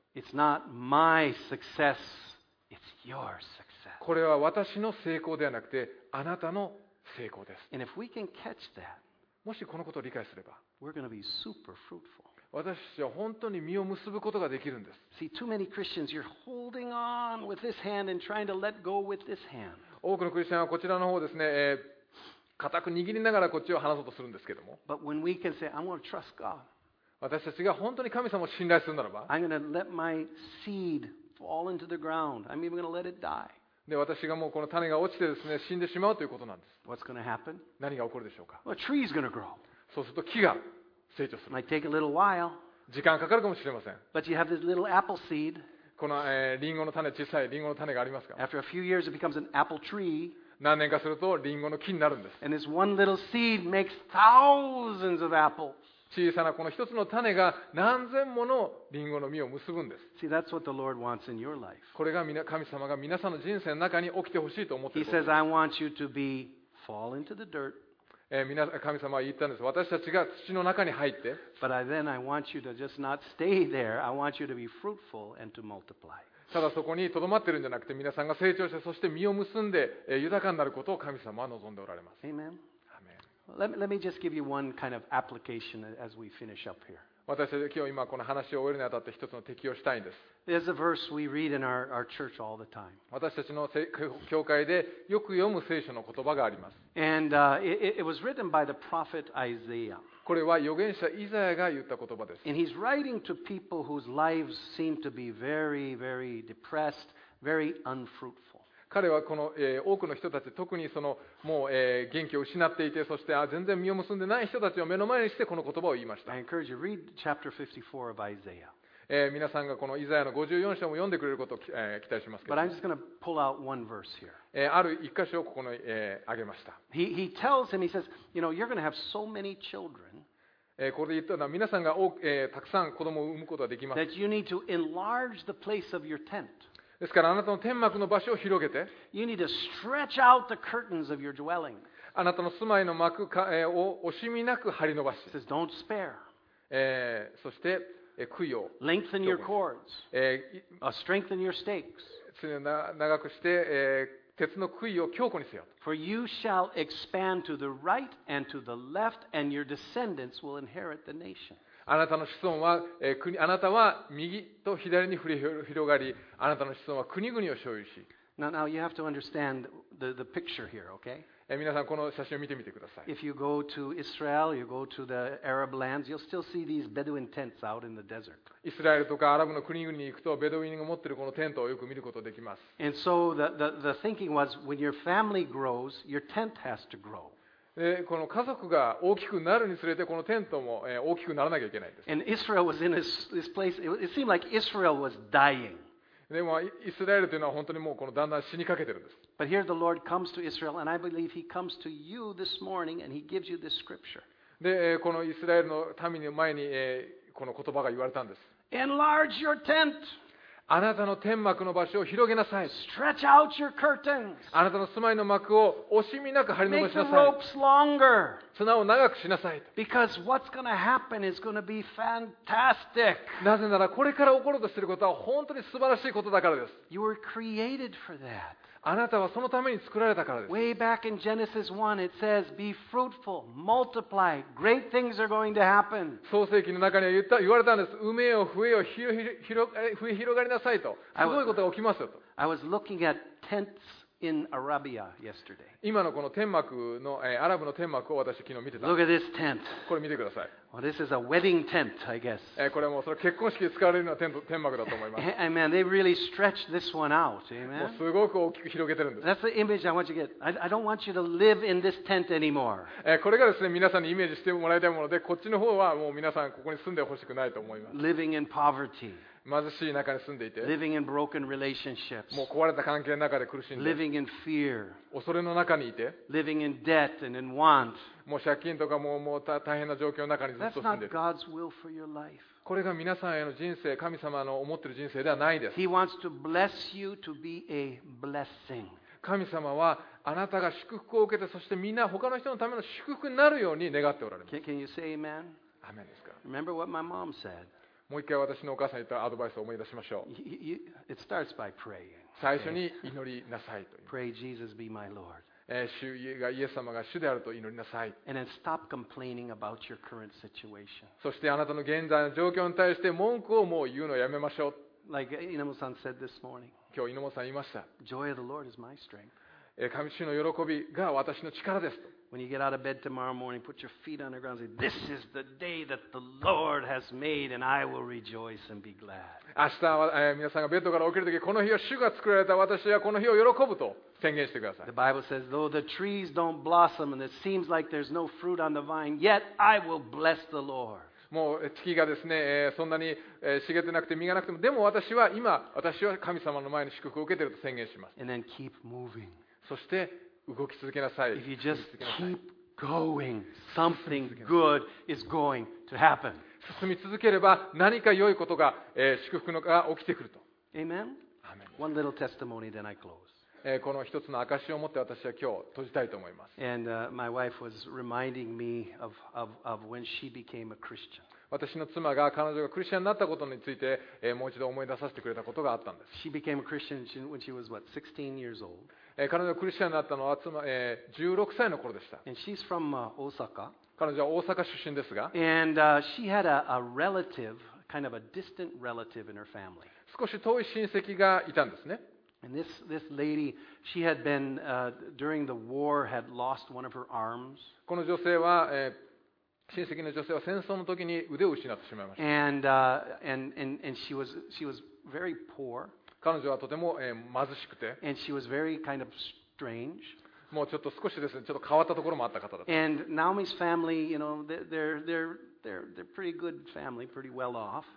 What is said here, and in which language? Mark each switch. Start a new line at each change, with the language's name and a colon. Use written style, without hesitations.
English: It's not my success, it's your success.
Japanese: これは私の成功ではなくて、あなたの成功です。
English: And if we can catch that,
Japanese: もしこのことを理解すれば、
English: we're gonna be super fruitful.
Japanese: 私たちは本当に実を結ぶことができるんです。
English: See, too many Christians, you're holding on with this hand and trying to let go with this hand.
Japanese: 多くのクリスチャンはこちらの方ですね、固く握りながらこっちを話そうとするんですけども。
English: But when we can say, I'm going to trust God.
Japanese: 私たちが本当に神様を信頼するならば、
English: I'm going to let my seed fall into the ground. I'm even going to let it die.
Japanese: で、私がもうこの種が落ちてですね、死んでしまうということなんです。
English: What's going to happen?
Japanese: 何が起こるでしょうか。
English: Well, a tree's going to grow.
Japanese: そうすると木が成長する。
English: Might take a little while.
Japanese: 時間かかるかもしれません。
English: But you have this little apple seed.
Japanese: この、リンゴの種、小さいリンゴの種がありますか。
English: After a few years, it becomes an apple tree.
Japanese: 何年かするとリンゴの木になるんです。
English: And this one little seed makes thousands of apples.
Japanese: 小さなこの一つの種が何千ものリンゴの実を結ぶんです。
English: See, that's what the Lord wants in your life.
Japanese: これが神様が皆さんの人生の中に起きてほしいと思っている。
English: He says, I want you to be fall into the dirt.
Japanese: 神様は言ったんです。私たちが土の中に入って。
English: But then I want you to just not stay there. I want you to be fruitful and to multiply.
Japanese: ただそこにとどまってるんじゃなくて、皆さんが成長して、そして実を結んで豊かになることを神様は望んでおられます。
English: Amen. Amen. Let me just give you one kind of application as we finish up here.
Japanese: 私は今日今この話を終えるにあたって一つの適用したいんです。
English: There's a verse we read in our church all the time.
Japanese: 私たちの教会でよく読む聖書の言葉があります。
English: And it was written by the prophet Isaiah.
Japanese: これは預言者イザヤが言った言葉です。
English: And he's writing to people whose lives seem to be very, very depressed, very unfruitful.
Japanese: 彼はこの、多くの人たち、特にそのもう、元気を失っていて、そして全然実を結んでない人たちを目の前にしてこの言葉を言いました。
English: I encourage you read chapter 54 of Isaiah.
Japanese: 皆さんがこのイザヤの54章を読んでくれることを、期待しますけど。
English: But I'm just going to pull out one verse here.
Japanese: ある一箇所をここに、挙げました。
English: He tells him, he says, you know, you're going to have so many children.
Japanese: これで言ったのは皆さんが、たくさん子供を産むことができます。
English: That you need to enlarge the place of your tent.
Japanese: ですからあなたの天幕の場所を広げて。
English: You need to stretch out the curtains of your dwelling.
Japanese: あなたの住まいの幕を惜しみなく張り伸ばし。
English: He says, don't spare.
Japanese: そして、杭を。
English: Lengthen your cords. Strengthen your stakes.
Japanese: 常に長くして、鉄の杭を強固にせよ。
English: For you shall expand to the right and to the left, and your descendants will inherit the nation.
Japanese: あなたの子孫は、あなたは右と左に広がり、あなたの子孫は国々を所有し。
English: Now you have to understand the picture here, okay?
Japanese: 皆さんこの写真を見てみてください。
English: If you go to Israel, you go to the Arab lands, you'll still see these Bedouin tents out in the desert.
Japanese: イスラエルとかアラブの国々に行くと、ベドウィンが持っているこのテントをよく見ることができます。
English: And so the thinking was, when your family grows, your tent has to grow.
Japanese: この家族が大きくなるにつれて、このテントも大きくならなきゃいけないです。
English: And Israel was in this place, it seemed like Israel was dying.
Japanese: でもイスラエルというのは本当にもうこのだんだん死にかけてるんです。
English: But here the Lord comes to Israel, and I believe He comes to you this morning, and He gives you this scripture.
Japanese: で、このイスラエルの民の前にこの言葉が言われたんです。
English: Enlarge your tent.
Japanese: あなたの天幕の場所を広げなさい。
English: Stretch out your curtains.
Japanese: あなたの住まいの幕を惜しみなく張り伸ばしなさい。
English: Make the ropes longer.
Japanese: 綱を長くしなさいと。
English: Because what's gonna happen is gonna be fantastic.
Japanese: なぜならこれから起ころうとしていることは本当に素晴らしいことだからです。
English: You were created for that.
Japanese: あなたはそのために作られたからです。
English: Way back in Genesis 1, it says, "Be fruitful, multiply. Great things are going to happen."
Japanese: 創世記の中には言われたんです。産めよ、増えよ、増え広がりなさいと。すごいことが起きますよと。
English: I was looking at tents in Arabia yesterday.
Japanese: 今のこの天幕の、アラブの天幕を私昨日見てた。
English: Look at this tent.
Japanese: これ見てください。
English: Well, this is a wedding tent, I guess.
Japanese: これもそれ結婚式で使われるような天幕だと思います。
English: Amen. They really stretch this one out. Amen.
Japanese: もうすごく大きく広げてるんです。
English: That's the image I want you to get. I don't want you to live in this tent anymore.
Japanese: これがですね、皆さんにイメージしてもらいたいもので、こっちの方はもう皆さんここに住んでほしくないと思います。
English: Living in poverty.
Japanese: 貧しい中に住んでいて、
English: Living in broken relationships.
Japanese: もう壊れた関係の中で苦しんで、
English: Living in fear.
Japanese: 恐れの中にいて、
English: Living in debt and in want.
Japanese: もう借金とかもう大変な状況の中にずっと住んでいる。
English: That's not God's will for your life.
Japanese: これが皆さんへの人生、神様の思っている人生ではないです。
English: He wants to bless you to be a blessing.
Japanese: 神様はあなたが祝福を受けて、そしてみんな他の人のための祝福になるように願っておられます。
English: Can you say amen?
Japanese: アメンですか。
English: Remember what my mom said.
Japanese: もう一回私のお母さんに言ったアドバイスを思い出しましょう。
English: It starts by praying.
Japanese: 最初に祈りなさいと。
English: Pray Jesus be my Lord.
Japanese: イエス様が主であると祈りなさい。
English: And then stop complaining about your current situation.
Japanese: そしてあなたの現在の状況に対して文句をもう言うのをやめましょう。
English: Like Inomo-san said this morning.
Japanese: 今日Inomo-san言いました。
English: Joy of the Lord is my strength.
Japanese: 神主の喜びが私の力ですと。
English: When you get out of bed tomorrow morning, put your feet on the ground and say, "This is the day that the Lord has made, and I will rejoice and be glad."
Japanese: 明日は、皆さんがベッドから起きるとき、この日は主が作られた、私はこの日を喜ぶと宣言してください。
English: The Bible says, "Though the trees don't blossom and it seems like there's no fruit on the vine, yet I will bless the Lord."
Japanese: もう月がですね、そんなに茂ってなくて実がなくても、でも私は神様の前に祝福を受けていると宣言します。
English: And then keep moving.
Japanese: そして動き続けなさい。
English: If you just keep going, something good is going to happen.
Japanese: 進み続ければ何か良いことが、祝福のが起きてくると。
English: Amen. Amen. One little testimony, then I close.
Japanese: この一つの証を持って私は今日閉じたいと思います。
English: And my wife was reminding me of when she became a Christian.
Japanese: 私の妻が彼女がクリスチャンになったことについて、もう一度思い出させてくれたことがあったんです。
English: She became a Christian when she was what, 16 years old.
Japanese: 彼女がクリスチャンになったのは妻、16歳の頃でした。
English: And she's from, 大阪。
Japanese: 彼女は大阪出身ですが。
English: And, she had a relative, kind of a distant relative in her family.
Japanese: 少し遠い親戚がいたんですね。
English: And this lady, she had been, during the war, had lost one of her arms.
Japanese: この女性は、親戚の女性は戦争の時に腕を失ってしまいました。
English: And she was very poor.
Japanese: 彼女はとても、貧しくて。
English: And she was very kind of strange.
Japanese: もうちょっと少しですね、ちょっと変わったところもあった方だった。
English: And Naomi's family, you know, they're pretty good family, pretty well off.